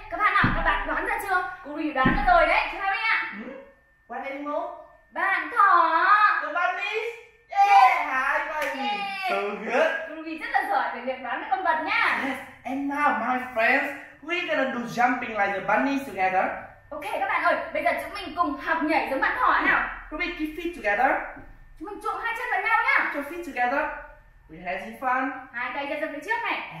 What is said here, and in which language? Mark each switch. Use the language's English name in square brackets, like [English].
[Vietnamese] Các bạn ạ, các bạn đoán ra chưa? Cô Rì đoán ra rồi đấy, chú Harry ạ. [English] What animal? [Vietnamese] Bạn thỏ. [English] The bunnies. Yeah, hi bunny. So good. [Vietnamese] Vì rất là giỏi về việc đoán cái con vật nha. [English] Yes. And now my friends, we're gonna do jumping like the bunnies together. [Vietnamese] Ok các bạn ơi, bây giờ chúng mình cùng học nhảy giống bạn thỏ nào. [English] Ruby, keep feet together. [Vietnamese] Chúng mình chuộng hai chân vào nhau nhá. [English] Keep your feet together. We have some fun. [Vietnamese] Hai tay ra phía trước này.